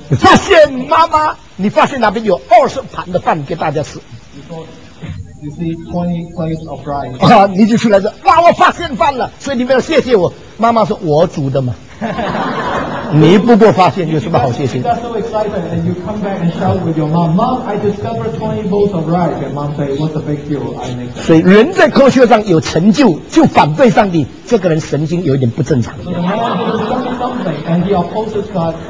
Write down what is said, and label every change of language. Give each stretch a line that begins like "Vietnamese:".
Chinese: 你发现妈妈，你发现那边有20盘的饭给大家吃。
English: You see 20 plates of rice.
Chinese: 你就出来说，哇，我发现饭了，所以你们要谢谢我。妈妈说，我煮的嘛。你不过发现有什么好谢谢？
English: That's so exciting, and you come back and shout with your mom. Mom, I discovered 20 bowls of rice. And mom say, "What's the big deal? I make."
Chinese: 所以人在科学上有成就，就反对上帝。这个人神经有一点不正常。
English: So the man discovered something, and he opposes God.